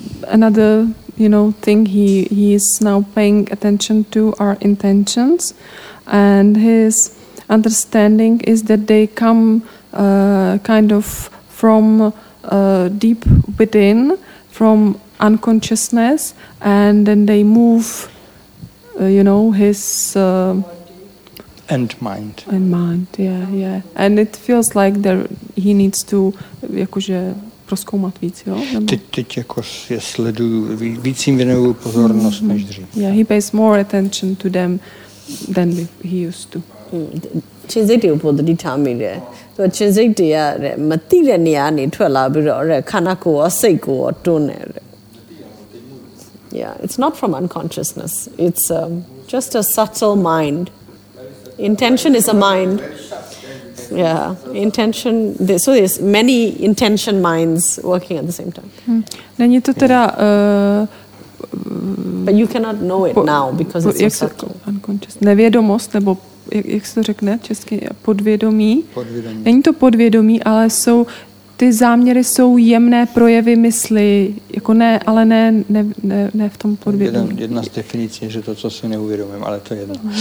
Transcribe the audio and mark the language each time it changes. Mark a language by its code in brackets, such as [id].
[en] Another, you know, thing he is now paying attention to are intentions, and his understanding is that they come kind of from deep within, from unconsciousness, and then they move, you know, his and mind, yeah, and it feels like there he needs to [cs] jakože proskoumat víc, jo? Teď jako je sleduju, víc jim věnuju pozornost než dřív. [en] Yeah, he pays more attention to them than he used to. Chinzeti upodri thami re. So chinzeti ya re mati re niya ni thwala bi ro re khana ko wa sait ko wa twun ne re. Yeah, it's not from unconsciousness. It's just a subtle mind. Intention is a mind. Yeah, intention. So there's many intention minds working at the same time. [cs] Není to teda. [en] But you cannot know it now because it's unconscious. [cs] Nevědomost nebo jak se to řekne česky, podvědomí. Podvědomí. Není to podvědomí, ale jsou ty záměry jsou jemné projevy mysli, jako ne, ale ne v tom podvědomí. Jedna z definic je, že to, co si neuvědomím, ale to je jedno.